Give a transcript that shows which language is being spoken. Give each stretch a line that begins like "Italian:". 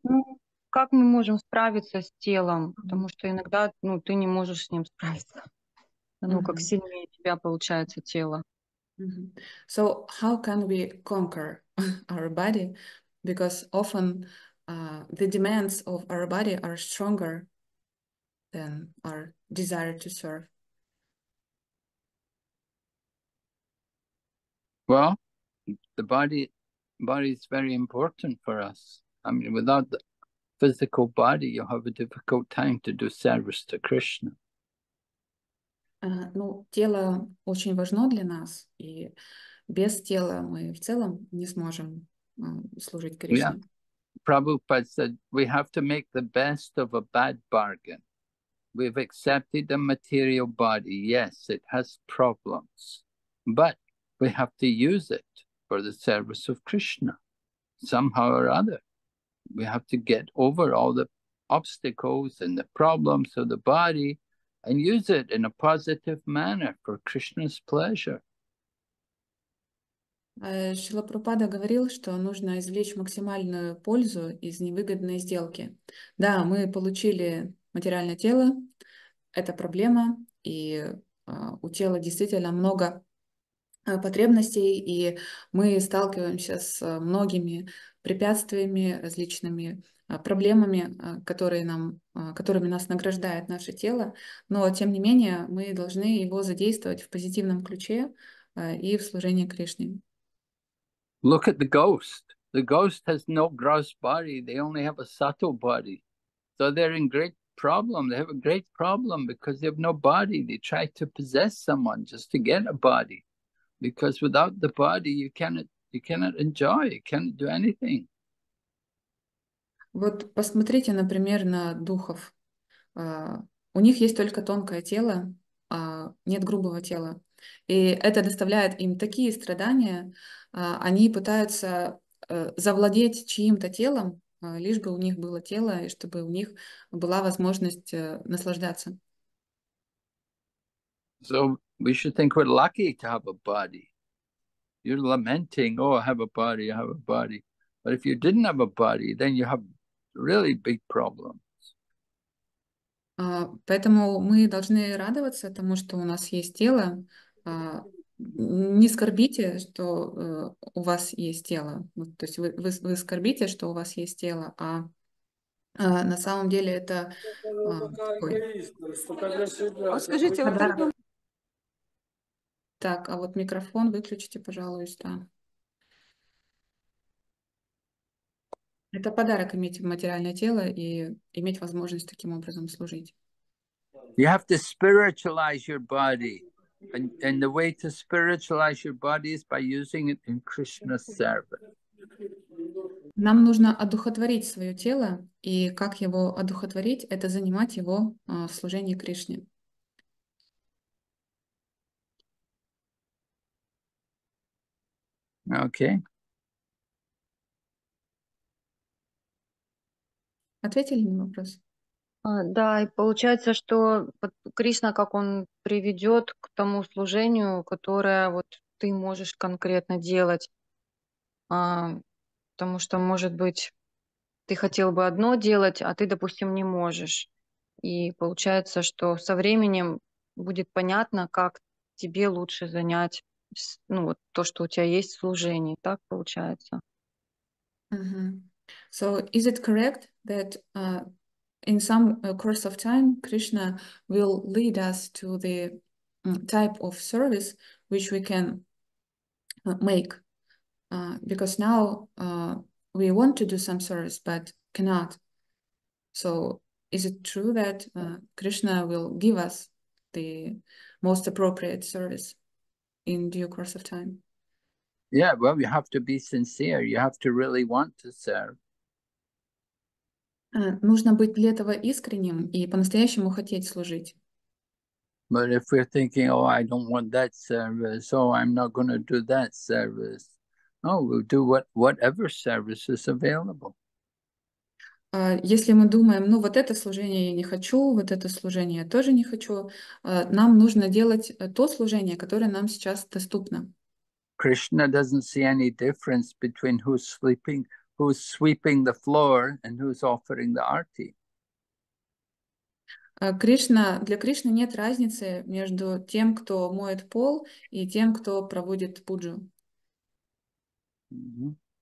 Russian: Ну, как мы можем справиться с телом? Потому что иногда, ну, ты не можешь с ним справиться. Ну, как сильнее тебя получается тело.
English: So how can we conquer our body? Because often the demands of our body are stronger than our desire to serve. Well, the body is very important for us. I mean, without the physical body, you have a difficult time to do service to Krishna.
Russian: Ну, тело очень важно для нас, и без тела мы в целом не сможем служить Кришне.
English: Yeah. Prabhupada said, we have to make the best of a bad bargain. We've accepted a material body. Yes, it has problems, but we have to use it for the service of Krishna. Somehow or other, we have to get over all the obstacles and the problems of the body and use it in a positive manner for Krishna's pleasure.
Russian: Шрила Прабхупада говорил, что нужно извлечь максимальную пользу из невыгодной сделки. Да, мы получили материальное тело, это проблема, и у тела действительно много потребностей, и мы сталкиваемся с многими препятствиями, различными проблемами, которыми нас награждает наше тело, но тем не менее мы должны его задействовать в позитивном ключе и в служении Кришне.
English: Look at the ghost. The ghost has no gross body. They only have a subtle body. So they're in great problem. They have a great problem because they have no body. They try to possess someone just to get a body. Because without the body, you cannot enjoy, you cannot do anything.
Russian: Вот посмотрите, например, на духов. У них есть только тонкое тело, а нет грубого тела. И это доставляет им такие страдания. Они пытаются завладеть чьим-то телом, лишь бы у них было тело, и чтобы у них была возможность наслаждаться.
English: So we should think we're lucky to have a body. You're lamenting, oh, I have a body, I have a body. But if you didn't have a body, then you have really big problems.
Russian: Поэтому мы должны радоваться тому, что у нас есть тело. Не скорбите, что у вас есть тело. То есть вы скорбите, что у вас есть тело, а на самом деле это такой... Скажите, вот это... Так, а вот микрофон выключите, пожалуйста. Это подарок иметь материальное тело и иметь возможность таким образом служить.
English: You have to spiritualize your body. And the way to spiritualize your body is by using it in Krishna's service.
Russian: Нам нужно одухотворить свое тело, и как его одухотворить, это занимать его в служении Кришне.
English: Okay.
Russian: Ответили на вопрос? Да, и получается, что Кришна, как он приведет к тому служению, которое вот ты можешь конкретно делать, потому что, может быть, ты хотел бы одно делать, а ты, допустим, не можешь. И получается, что со временем будет понятно, как тебе лучше занять, ну, вот то, что у тебя есть в служении. Так получается.
English: So, is it correct that in some course of time, Krishna will lead us to the type of service which we can make? Because now we want to do some service but cannot. So, is it true that Krishna will give us the most appropriate service in due course of time? Yeah, well, you have to be sincere. You have to really want to serve.
Russian: Нужно быть для этого искренним и по-настоящему хотеть служить.
English: But if we're thinking, oh, I don't want that service, oh, I'm not going to do that service, oh, we'll do whatever service is available.
Russian: Если мы думаем, ну вот это служение я не хочу, вот это служение я тоже не хочу, нам нужно делать то служение, которое нам сейчас доступно.
English: Krishna doesn't see any difference between who's sleeping, who's sweeping the floor, and who's offering the arti.
Russian: Кришна, для Кришны нет разницы между тем, кто моет пол, и тем, кто проводит пуджу. Mm-hmm.